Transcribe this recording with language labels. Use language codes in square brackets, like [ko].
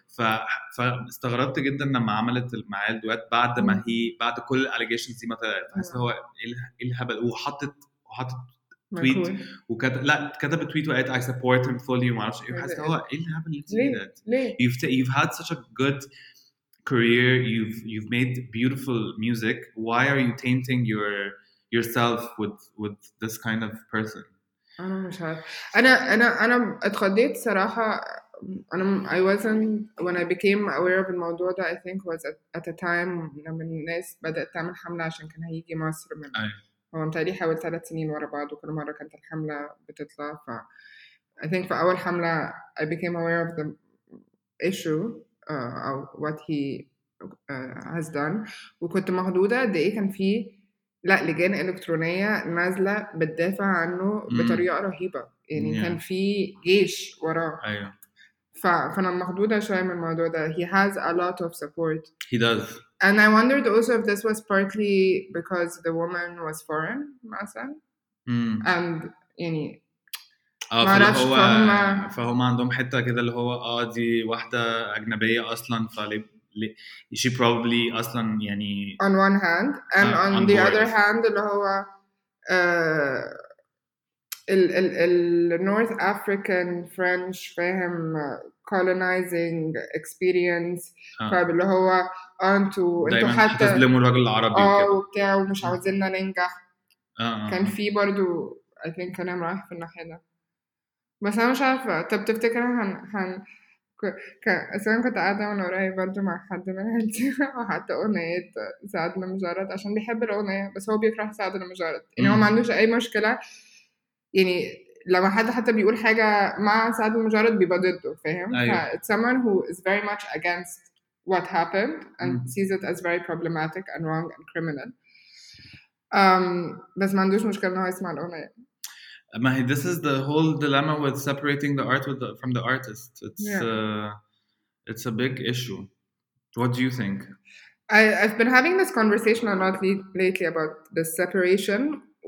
[ar] فاستغربت جدا لما عملت مع الدوات بعد ما هي بعد كل الاليجيشنز دي ما طلعت. بحس هو الهبل وحطت تويت وكتب لا كتب تويت وقالت [en] I support him fully [ar] وما اعرفش ايه. حاسس هو ايه اللي هابن ليه؟ [en] You've had such a good career, you've made beautiful music, why are you tainting yourself with this kind of person? [ar] انا مش عارف. انا اتخضيت صراحه. انا [en] I wasn't when I became aware of [ar] الموضوع ده [en] I think was at a time [ar] لما الناس بدات تعمل حمله عشان كان هيجي مصر من هو متهيألي حاول 3 سنين ورا بعض وكل مرة كانت الحملة بتطلع. ف [en] I think [ar] في أول حملة [en] I became aware of the issue [ar] أو [en] what he has done [ar] وكنت مخدودة قد إيه كان في لأ لجان إلكترونية نازلة بتدافع عنه بطريقة رهيبة يعني كان في جيش وراه. فأنا مخدودة شوية من الموضوع ده. [en] He has a lot of support. He does. And I wondered also if this was partly because the woman was foreign, [ar] مثلا. [en] And any. [ar] فهما عندهم حتة كده اللي هو دي واحدة أجنبية أصلاً فلي [en] she probably [ar] أصلاً يعني. [en] On one hand, and on the other hand, [ar] اللي هو ال [en] North African French [ar] فهم [en] colonizing experience [ar] فاللي هو انتوا حتى تظلموا الراجل العربي وبتاع ومش عاوزيننا ننجح. كان في برضو [en] I think [ar] كان رايح في الناحية ده بس انا مش عارفة. طب تفتكر هن اصلا كنت قاعدة من ورايا برضو مع حد من عيلتي وحتى اغنية سعد المجرد عشان بيحب الاغنية بس هو بيكره سعد المجرد يعني هو ما عندوش اي مشكلة يعني لما حتى بيقول حاجة مع سعد المجرد بيبقى ضده فاهم. [en] It's someone who is very much against what happened and sees it as very problematic and wrong and criminal. [ar] بس ما عندوش مشكلة انه يسمع الأغنية. ماهي [en] this is the whole dilemma with separating the art from the artist. It's a big issue. What do you think? I've been having this conversation a lot lately about the separation.